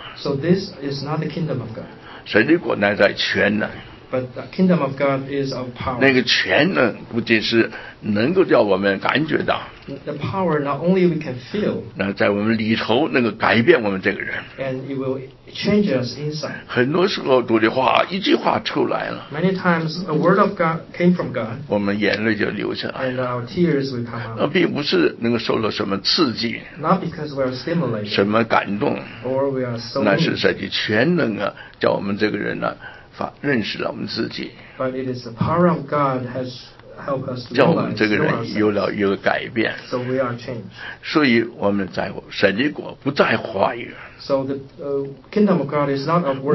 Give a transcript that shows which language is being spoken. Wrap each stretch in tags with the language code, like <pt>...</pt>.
<en>so this is not the kingdom of God.</en> <zh>神的国乃在全能</zh> <en>But the kingdom of God is of power.</en> <zh>那个全能不仅是能够叫我们感觉到</zh> <en>The power not only we can feel.</en> <zh>那在我们里头能够改变我们这个人</zh> <en>And it will change us inside.</en> <zh>很多时候读的话一句话出来了</zh> <en>Many times a word of God came from God.</en> <zh>我们眼泪就流下来</zh> <en>And our tears will come out.</en> <zh>那并不是能够受到什么刺激</zh> <en>Not because we are stimulated.</en> <zh>什么感动</zh> <en>Or we are so</en> <zh>那是神的全能啊叫我们这个人呢、啊认识了我们自己</zh> <en>But it is the power of God has helped us to</en> <zh>叫我们这个人有了一个改变</zh> <en>So we are changed</en> <zh>所以我们在神的国不在话语</zh> <en>So the kingdom of God is not of words</en>